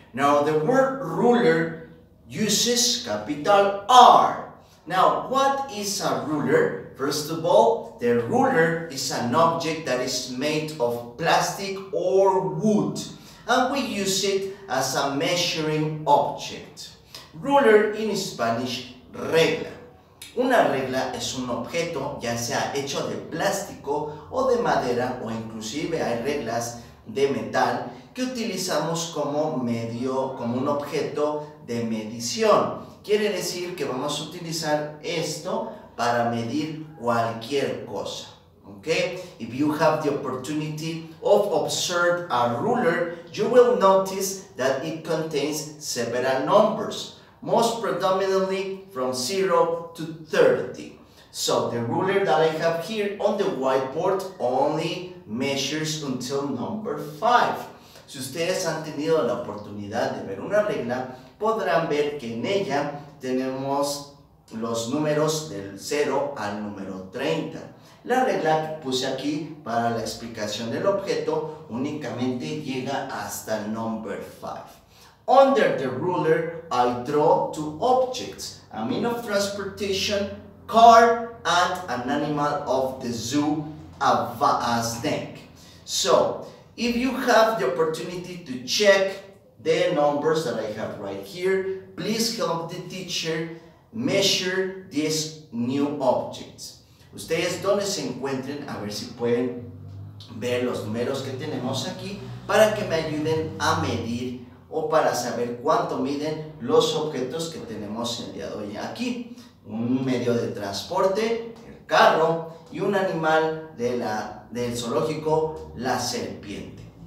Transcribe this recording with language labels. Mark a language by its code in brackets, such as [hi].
[en] Now, the word ruler uses capital R. Now, what is a ruler? First of all, the ruler is an object that is made of plastic or wood, and we use it as a measuring object. Ruler in Spanish, regla. [es] Una regla es un objeto, ya sea hecho de plástico o de madera, o inclusive hay reglas de metal que utilizamos como medio, como un objeto de medición. Quiere decir que vamos a utilizar esto para medir cualquier cosa. [en] Okay? If you have the opportunity of observe a ruler, you will notice that it contains several numbers, most predominantly from 0 to 30. So the ruler that I have here on the whiteboard only measures until number 5. [es] Si ustedes han tenido la oportunidad de ver una regla, podrán ver que en ella tenemos los números del 0 al número 30. La regla que puse aquí para la explicación del objeto únicamente llega hasta el number 5. Under the ruler, I draw two objects, a mean of transportation, car, and an animal of the zoo, a snake. So, if you have the opportunity to check the numbers that I have right here, please help the teacher measure these new objects. Ustedes donde se encuentren, a ver si pueden ver los números que tenemos aquí, para que me ayuden a medir o para saber cuánto miden los objetos que tenemos el día de hoy aquí. Un medio de transporte, el carro, y un animal de del zoológico, la serpiente.